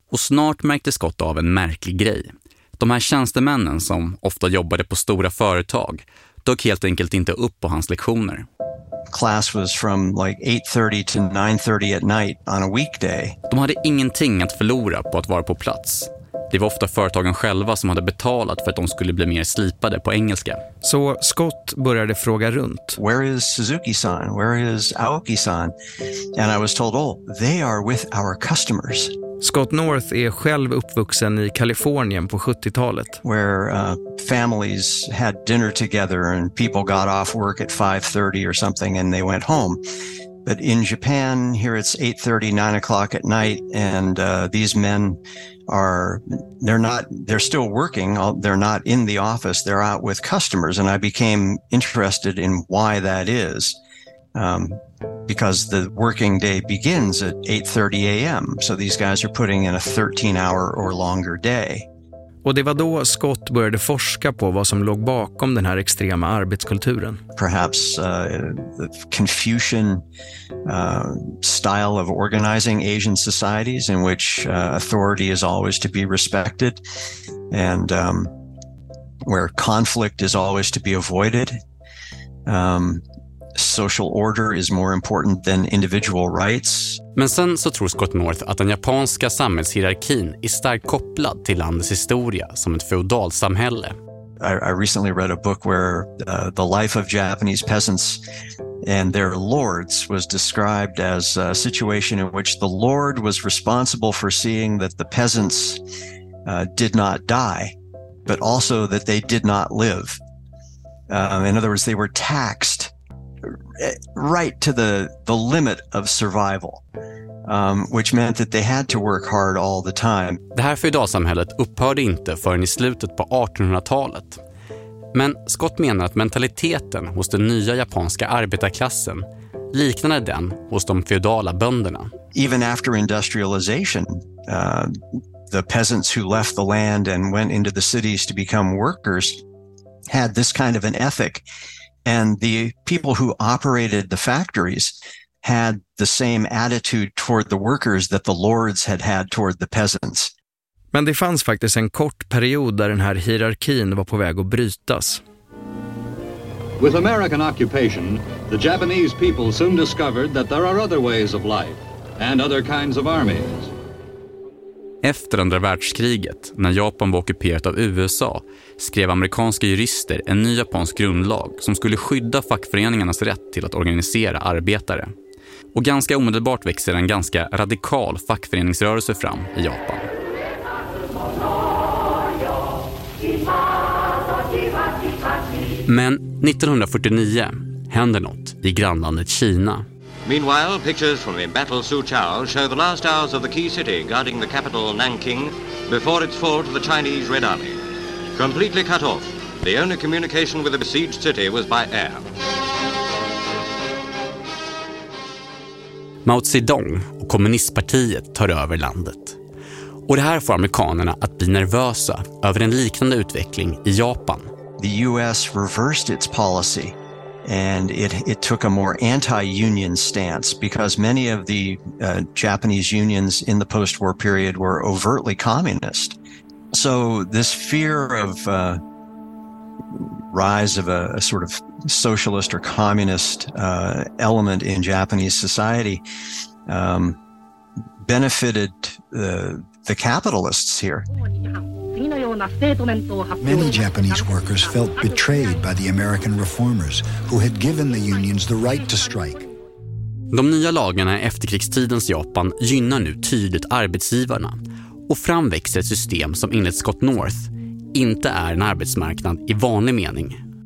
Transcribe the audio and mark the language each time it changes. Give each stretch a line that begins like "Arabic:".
Swedish: Och snart märkte Scott av en märklig grej. De här tjänstemännen som ofta jobbade på stora företag dök helt enkelt inte upp på hans lektioner.
English: Class was from like 8:30 to 9:30 at night on a weekday.
Swedish: De hade ingenting att förlora på att vara på plats. Det var ofta företagen själva som hade betalat för att de skulle bli mer slipade på engelska. Så Scott började fråga runt.
English: Where is Suzuki-san? Where is Aoki-san? And I was told, oh, they are with our customers.
Swedish: Scott North är själv uppvuxen i Kalifornien på 70-talet.
English: Where families had dinner together and people got off work at 5:30 or something and they went home. But in Japan, here it's 8:30, 9 o'clock at night, and these men are, they're still working, they're not in the office, they're out with customers, and I became interested in why that is, because the working day begins at 8:30 a.m., so these guys are putting in a 13-hour or longer day.
Swedish: Och det var då Scott började forska på vad som låg bakom den här extrema arbetskulturen.
English: Perhaps the Confucian style of organizing Asian societies in which authority is always to be respected and where conflict is always to be avoided. Social order is more important than individual rights.
Swedish: Men sen så tror Scott North att den japanska samhällshierarkin är starkt kopplad till landets historia som ett feodalsamhälle.
English: I recently read a book where the life of Japanese peasants and their lords was described as a situation in which the lord was responsible for seeing that the peasants did not die, but also that they did not live. In other words, they were taxed right to the limit of survival, which meant that they had to work hard all the time.
Swedish: Det här feodalsamhället upphörde inte förrän i slutet på 1800-talet. Men Scott menar att mentaliteten hos den nya japanska arbetarklassen liknade den hos de feodala bönderna.
English: Even after industrialization, the peasants who left the land and went into the cities to become workers had this kind of an ethic. And the people who operated the factories had the same attitude toward the workers that the lords had had toward the peasants.
Swedish: Men det fanns faktiskt en kort period där den här hierarkin var på väg att brytas.
English: With American occupation, the Japanese people soon discovered that there are other ways of life and other kinds of armies.
Swedish: Efter andra världskriget, när Japan var ockuperat av USA, skrev amerikanska jurister en ny japansk grundlag som skulle skydda fackföreningarnas rätt till att organisera arbetare. Och ganska omedelbart växer en ganska radikal fackföreningsrörelse fram i Japan. Men 1949 händer något i grannlandet Kina.
English: Meanwhile, pictures from the battle Suzhou show the last hours of the key city guarding the capital Nanking before its fall to the Chinese Red Army. Completely cut off, the only communication with the besieged city was by air.
Swedish: Mao Zedong och kommunistpartiet tar över landet. Och det här får amerikanerna att bli nervösa över en liknande utveckling i Japan.
English: The US reversed its policy and it took a more anti-union stance because many of the Japanese unions in the post-war period were overtly communist. So this fear of rise of a sort of socialist or communist element in Japanese society benefited the capitalists here. Many Japanese workers felt betrayed by the American reformers who had given the unions the right to strike.
Swedish: De nya lagarna i efterkrigstidens Japan gynnar nu tydligt arbetsgivarna och framväxer ett system som enligt Scott North inte är en arbetsmarknad i vanlig mening.